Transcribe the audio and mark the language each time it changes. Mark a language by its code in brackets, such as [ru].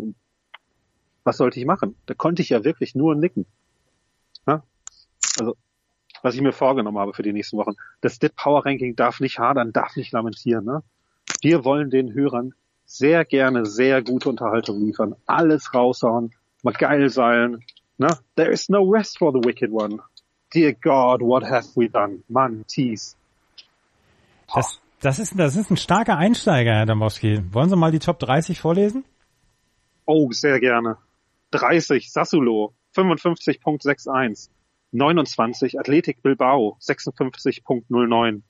[de] Und was sollte ich machen? Da konnte ich ja wirklich nur nicken. Ja? Also, was ich mir vorgenommen habe für die nächsten Wochen, das DIT Power Ranking darf nicht hadern, darf nicht lamentieren. Ne? Wir wollen den Hörern sehr gerne sehr gute Unterhaltung liefern. Alles raushauen, mal geil sein. Ne? [en] There is no rest for the wicked one. Dear God, what have we done? [de] Mann, Thies. Das ist ein starker Einsteiger, Herr Dembowski. Wollen Sie mal die Top 30 vorlesen? Oh, sehr gerne. 30, Sassuolo, 55.61. 29, Athletic Bilbao, 56.09.